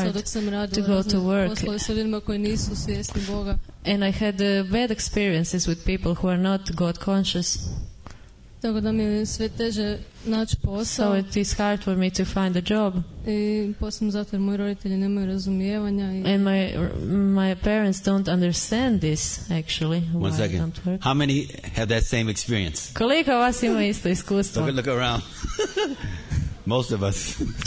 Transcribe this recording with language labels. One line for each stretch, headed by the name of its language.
Croatian: posao, dok sam radila poslove sa ljudima koji nisu svjesni Boga.
English: And I had bad experiences with people who are not God conscious.
Croatian: Tako da mi je sve teže naći posao.
English: So it is hard for me to find a job.
Croatian: I posebno zato jer moji roditelji nemaju razumijevanja.
English: And my parents don't understand this, actually. One why second. I don't work. How many have that same experience?
Croatian: Koliko vas ima isto iskustvo?
English: Look around. Most of us.